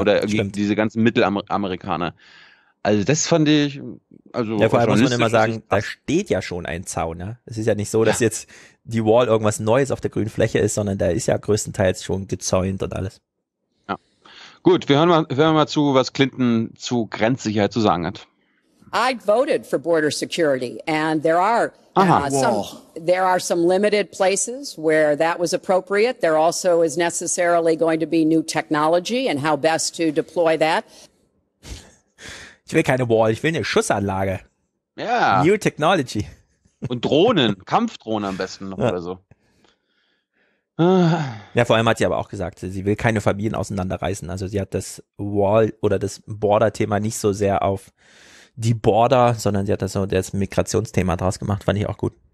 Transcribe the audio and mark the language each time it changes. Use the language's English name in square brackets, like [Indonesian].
[German] Oder gegen diese ganzen Mittelamerikaner? Also das fand ich, also ja, vor allem muss man immer sagen, da steht ja schon ein Zaun, ja? Es ist ja nicht so, dass jetzt die Wall irgendwas Neues auf der grünen Fläche ist, sondern der ist ja größtenteils schon gezäunt und alles. Gut, wir hören mal zu, was Clinton zu Grenzsicherheit zu sagen hat. [English] I voted for border security and there are some limited places where that was appropriate. There also is necessarily going to be new technology and how best to deploy that. [German] Ich will keine Wall, ich will eine Schussanlage. Ja. Yeah. [English] New technology. [German] Und Drohnen, Kampfdrohnen am besten noch oder so. Ja, vor allem hat sie aber auch gesagt, sie will keine Familien auseinanderreißen. Also sie hat das Wall oder das Border-Thema nicht so sehr auf die Border, sondern sie hat das so das Migrationsthema draus gemacht, fand ich auch gut.